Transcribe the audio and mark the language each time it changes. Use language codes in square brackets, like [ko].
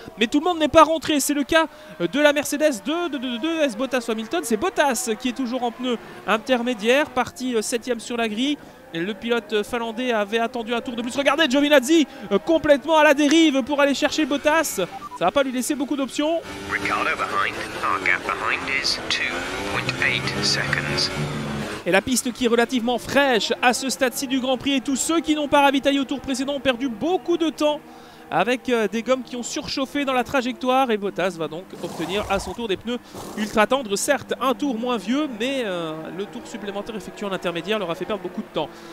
[fr] Mais tout le monde n'est pas rentré. C'est le cas de la Mercedes de S. Bottas Hamilton. C'est Bottas qui est toujours en pneus intermédiaires, parti 7e sur la grille. Le pilote finlandais avait attendu un tour de plus. Regardez, Giovinazzi complètement à la dérive pour aller chercher Bottas. Ça ne va pas lui laisser beaucoup d'options. [en] Ricciardo behind. Our gap behind is 2.8 seconds. [fr] Et la piste qui est relativement fraîche à ce stade-ci du Grand Prix, et tous ceux qui n'ont pas ravitaillé au tour précédent ont perdu beaucoup de temps avec des gommes qui ont surchauffé dans la trajectoire. Et Bottas va donc obtenir à son tour des pneus ultra tendres. Certes, un tour moins vieux, mais le tour supplémentaire effectué en intermédiaire leur a fait perdre beaucoup de temps.